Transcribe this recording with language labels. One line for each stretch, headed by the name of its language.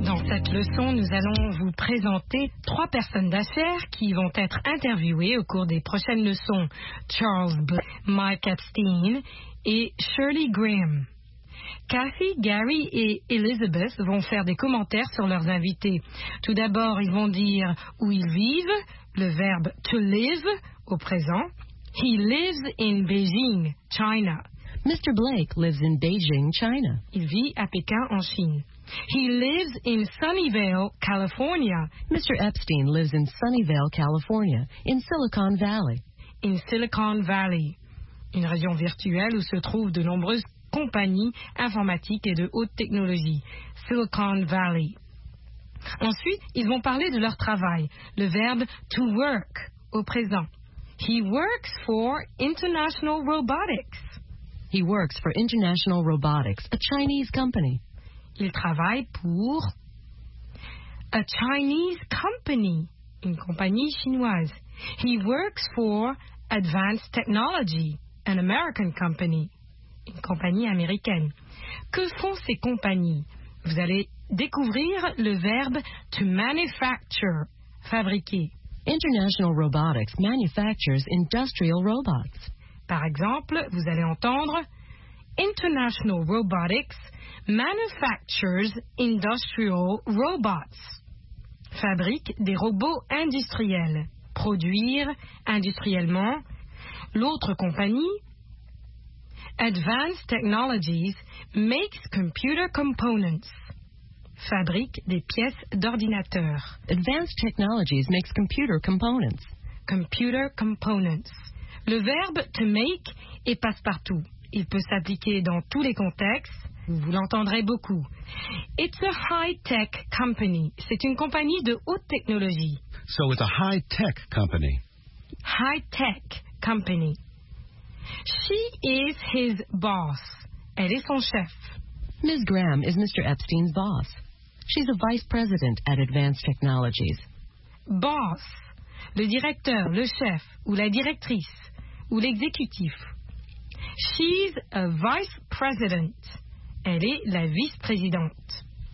French: Cette leçon, nous allons vous présenter trois personnes d'affaires qui vont être interviewées au cours des prochaines leçons. Charles Booth, Mike Epstein et Shirley Graham. Kathy, Gary et Elizabeth vont faire des commentaires sur leurs invités. Tout d'abord, ils vont dire où ils vivent, le verbe to live au présent.
English: He lives in Beijing, China. Mr. Blake lives in Beijing, China.
French: Il vit à Pékin, en Chine.
English: He lives in Sunnyvale, California. Mr. Epstein lives in Sunnyvale, California, in Silicon Valley.
French: In Silicon Valley, une région virtuelle où se trouvent de nombreuses compagnies informatiques et de haute technologie. Silicon Valley. Ensuite, ils vont parler de leur travail, le verbe to work au présent.
English: He works for International Robotics. He works for International Robotics, a Chinese company.
French: Il travaille pour
English: a Chinese company,
French: une compagnie chinoise.
English: He works for Advanced Technology, an American company,
French: une compagnie américaine. Que font ces compagnies? Vous allez découvrir le verbe to manufacture, fabriquer.
English: International Robotics manufactures industrial robots.
French: Par exemple, vous allez entendre
English: International Robotics manufactures industrial robots.
French: Fabrique des robots industriels. Produire industriellement. L'autre compagnie,
English: Advanced Technologies makes computer components.
French: Fabrique des pièces d'ordinateur.
English: Advanced Technologies makes computer components. Computer components.
French: Le verbe to make est passe-partout. Il peut s'appliquer dans tous les contextes. Vous l'entendrez beaucoup.
English: It's a high-tech company.
French: C'est une compagnie de haute technologie.
English: So it's a high-tech company. High-tech company. She is his boss.
French: Elle est son chef.
English: Ms. Graham is Mr. Epstein's boss. She's a vice president at Advanced Technologies. Boss.
French: Le directeur, le chef, ou la directrice, ou l'exécutif.
English: She's a vice president.
French: Elle est la vice-présidente.